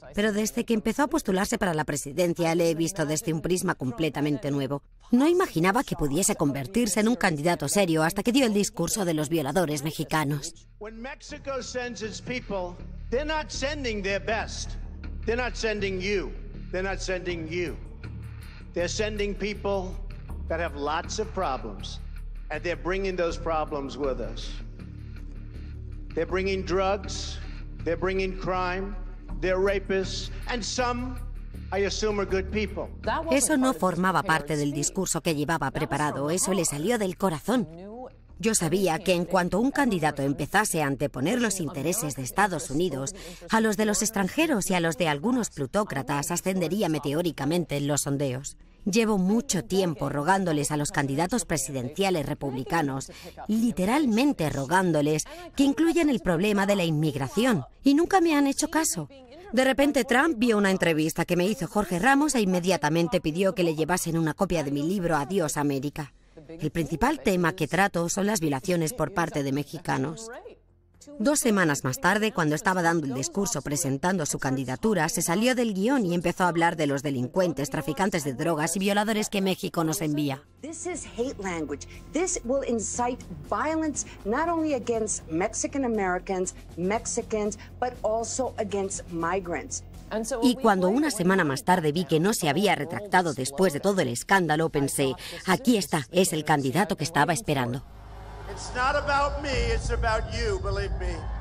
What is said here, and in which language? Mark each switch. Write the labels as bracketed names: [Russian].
[Spanish] Pero desde que empezó a postularse para la presidencia, le he visto desde un prisma completamente nuevo. No imaginaba que pudiese convertirse en un candidato serio hasta que dio el discurso de los violadores mexicanos. Cuando México envía a sus personas, no están enviando su mejor. No están enviando a ti. No están enviando a ti. Están enviando a personas [English] that have lots of problems, and they're bringing those problems with us. They're bringing drugs, they're bringing crime, they're rapists, and some, I assume, are good people. [Spanish] Eso no formaba parte del discurso que llevaba preparado, eso le salió del corazón. Yo sabía que en cuanto un candidato empezase a anteponer los intereses de Estados Unidos a los de los extranjeros y a los de algunos plutócratas, ascendería meteóricamente en los sondeos. Llevo mucho tiempo rogándoles a los candidatos presidenciales republicanos, literalmente rogándoles que incluyan el problema de la inmigración, y nunca me han hecho caso. De repente Trump vio una entrevista que me hizo Jorge Ramos e inmediatamente pidió que le llevasen una copia de mi libro Adiós América. El principal tema que trato son las violaciones por parte de mexicanos. 2 semanas más tarde, cuando estaba dando el discurso presentando su candidatura, se salió del guión y empezó a hablar de los delincuentes, traficantes de drogas y violadores que México nos envía. [English] This is hate language. This will incite violence not only against Mexican Americans, Mexicans, but also against migrants. [Spanish] Y cuando una semana más tarde vi que no se había retractado después de todo el escándalo, pensé, aquí está, es el candidato que estaba esperando. [English] It's not about me, it's about you, believe me.